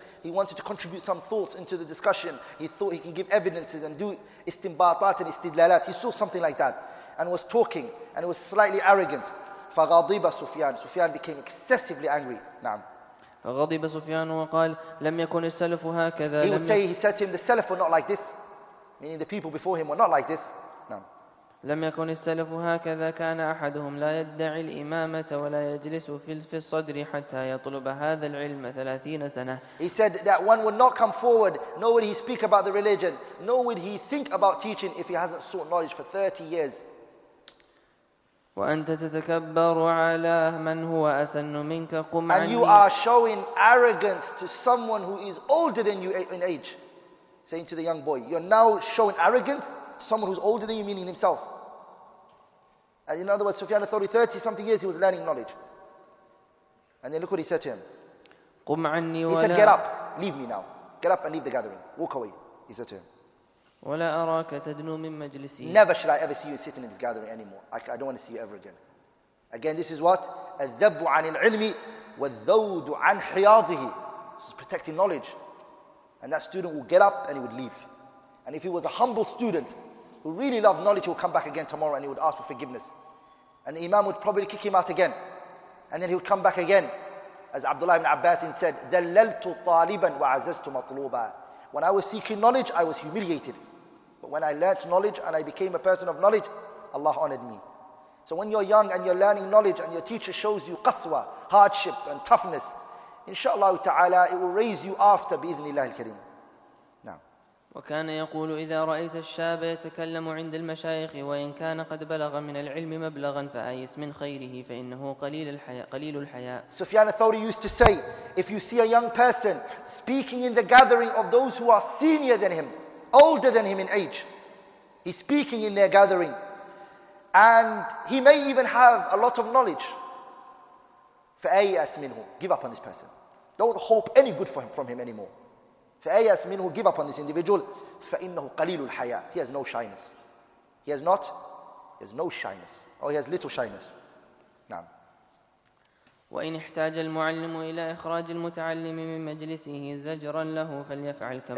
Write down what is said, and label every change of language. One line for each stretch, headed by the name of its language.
English: He wanted to contribute some thoughts into the discussion. He thought he can give evidences and do istinbatat and istidlalat. He saw something like that and was talking and was slightly arrogant.
Arabic: فغضب سفيان.
English: Sufyan became excessively angry.
Arabic: نعم. فغضب سفيان وقال لم يكن السلف هكذا.
English: He would say, he said to him, the Salaf were not like this, meaning the people before him were not like this.
Arabic: نعم. لم يكن السلف هكذا, كان أحدهم لا يدعي الإمامة ولا يجلس في الصدر حتى يطلب هذا العلم 30 سنة.
English: He said that one would not come forward, nor would he speak about the religion, nor would he think about teaching if he hasn't sought knowledge for 30 years.
Arabic: وأنت تتكبر على من هو أسن منك قم عني.
English: And you are showing arrogance to someone who is older than you in age, saying to the young boy, you're now showing arrogance. Someone who's older than you, meaning himself. And in other words, Sufyan al-Thawri, 30 something years, he was learning knowledge. And then look what he said to him.
Arabic: قم عني ولا,
English: he said, get up, leave me now. Get up and leave the gathering. Walk away, he said to him.
Arabic: ولا أراك تدنو من مجلسي.
English: Never shall I ever see you sitting in this gathering anymore. I don't want to see you ever again. Again, this is what?
Arabic: الذب عن العلم والذود عن حياضه.
English: This is protecting knowledge. And that student will get up and he would leave. And if he was a humble student who really loved knowledge, he would come back again tomorrow and he would ask for forgiveness. And the Imam would probably kick him out again. And then he would come back again. As Abdullah ibn Abbas said,
Arabic: دللت طالبا وعززت مطلوبا.
English: When I was seeking knowledge, I was humiliated. But when I learnt knowledge and I became a person of knowledge, Allah honored me. So when you're young and you're learning knowledge and your teacher shows you qaswa, hardship and toughness, inshaAllah ta'ala, it will raise you after bi'ithnillah al-kareem.
Arabic: وكان يقول إذا رأيت الشاب يتكلم عند المشايخ وإن كان قد بلغ من العلم مبلغا فأيس من خيره فإنه قليل الحياء قليل الحياء.
English: Sufyan al-Thawri used to say, if you see a young person speaking in the gathering of those who are senior than him, older than him in age, he's speaking in their gathering, and he may even have a lot of knowledge,
Arabic: فأيس منه,
English: give up on this person, don't hope any good for him from him anymore.
Arabic: فأيأس منه,
English: give up on this individual,
Arabic: فإنه قليل الحياء.
English: He has no shyness. He has little shyness.
Arabic: نعم. وإن احتاج المعلم إلى إخراج المتعلم من مجلسه زجرا له فليفعل كما فعل.